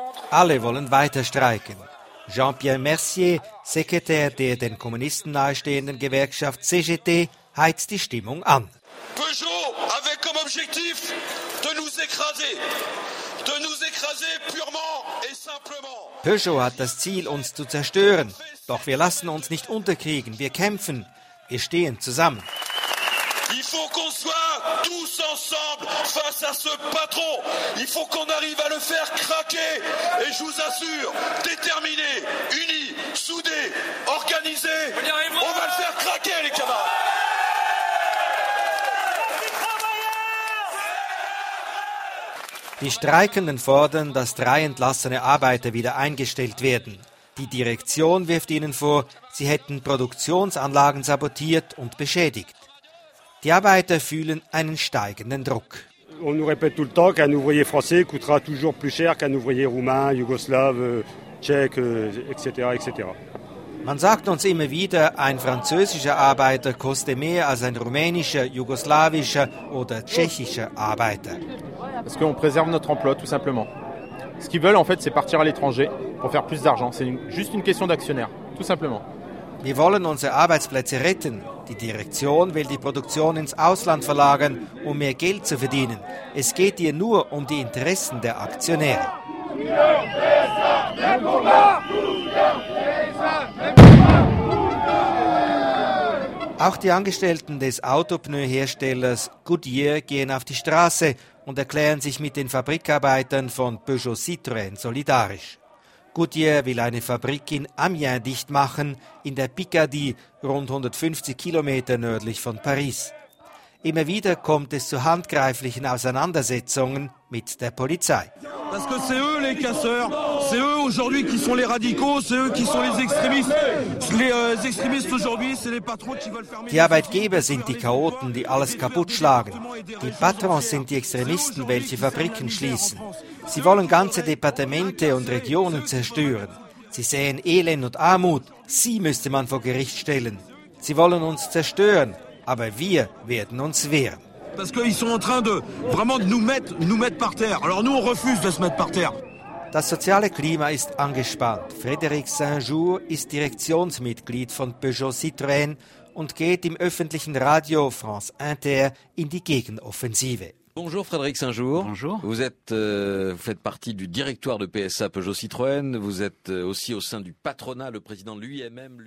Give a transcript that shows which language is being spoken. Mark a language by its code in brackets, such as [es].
[de] Alle wollen weiter streiken. Jean-Pierre Mercier, Sekretär der den Kommunisten nahestehenden Gewerkschaft CGT, heizt die Stimmung an. [fr] Peugeot avait comme objectif de nous écraser. De nous écraser purement et simplement. [de] Peugeot hat das Ziel, uns zu zerstören. Doch wir lassen uns nicht unterkriegen. Wir kämpfen. Wir stehen zusammen. [fr] Il faut qu'on soit tous ensemble face à ce patron. Il faut qu'on arrive à le faire craquer. Et je vous assure, déterminés, unis, soudés, organisés, on va le faire craquer, les camarades. [de] Die Streikenden fordern, dass 3 entlassene Arbeiter wieder eingestellt werden. Die Direktion wirft ihnen vor, sie hätten Produktionsanlagen sabotiert und beschädigt. Die Arbeiter fühlen einen steigenden Druck. [fr] On nous répète tout le temps qu'un ouvrier français coûtera toujours plus cher qu'un ouvrier roumain, yougoslave, tchèque, etc., etc. [de] Man sagt uns immer wieder, ein französischer Arbeiter koste mehr als ein rumänischer, jugoslawischer oder tschechischer Arbeiter. [fr] Parce qu'on préserve notre emploi tout simplement. Ce qu'ils veulent en fait, c'est partir à l'étranger pour faire plus d'argent, c'est juste une question d'actionnaire, tout simplement. [de] Wir wollen unsere Arbeitsplätze retten. Die Direktion will die Produktion ins Ausland verlagern, um mehr Geld zu verdienen. Es geht ihr nur um die Interessen der Aktionäre. Auch die Angestellten des Autopneuherstellers Goodyear gehen auf die Straße und erklären sich mit den Fabrikarbeitern von Peugeot Citroën solidarisch. Goodyear will eine Fabrik in Amiens dicht machen, in der Picardie, rund 150 Kilometer nördlich von Paris. Immer wieder kommt es zu handgreiflichen Auseinandersetzungen mit der Polizei. [fr] Parce que c'est eux les casseurs, c'est eux aujourd'hui qui sont les radicaux, c'est eux qui sont les extrémistes. Les extrémistes aujourd'hui, c'est les patrons qui veulent fermer. [de] Die Arbeitgeber sind die Chaoten, die alles kaputt schlagen. Die Patrons sind die Extremisten, welche Fabriken schließen. Sie wollen ganze Departemente und Regionen zerstören. Sie säen Elend und Armut. Sie müsste man vor Gericht stellen. Sie wollen uns zerstören, aber wir werden uns wehren. [fr] Parce qu'ils sont en train de vraiment de nous mettre par terre. Alors nous on refuse de se mettre par terre. [de] Das soziale Klima ist angespannt. Frédéric Saint-Jour ist Direktionsmitglied von Peugeot Citroën und geht im öffentlichen Radio France Inter in die Gegenoffensive. [fr] Bonjour Frédéric Saint-Jour. Bonjour. Vous êtes vous faites partie du directoire de PSA Peugeot Citroën, vous êtes aussi au sein du patronat, le président lui-même.